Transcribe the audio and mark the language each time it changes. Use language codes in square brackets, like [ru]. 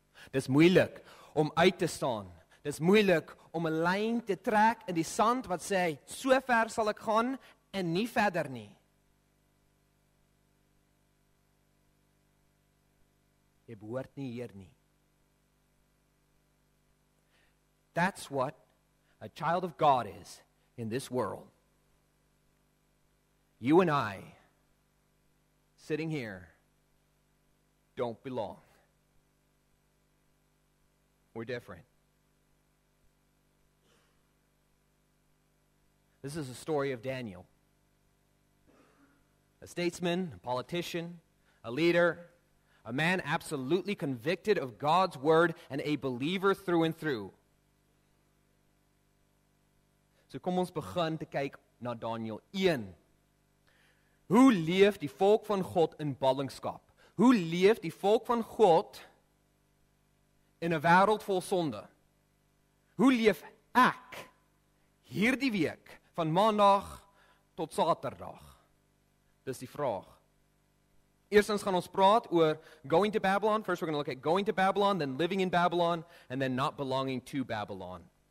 [af] Dis moeilik om uit te staan. Dis moeilik om 'n lyn te trek in die sand wat sê, so ver sal ek gaan en nie verder nie. Jy behoort nie hier nie. [en] That's what a child of God is in this world. You and I, sitting here, don't belong. We're different. This is a story of Daniel. A statesman, a politician, a leader, a man absolutely convicted of God's word and a believer through and through. [af] So kom ons begin te kyk na Daniel 1. Hoe leef die volk van God in ballingskap? Hoe leef die volk van God in 'n wêreld vol sonde? Hoe leef ek hierdie week van maandag tot saterdag? Dis die vraag. Eerstens gaan ons praat oor [en] going to Babylon. First we're going to look at going to Babylon, then living in Babylon, and then not belonging to Babylon.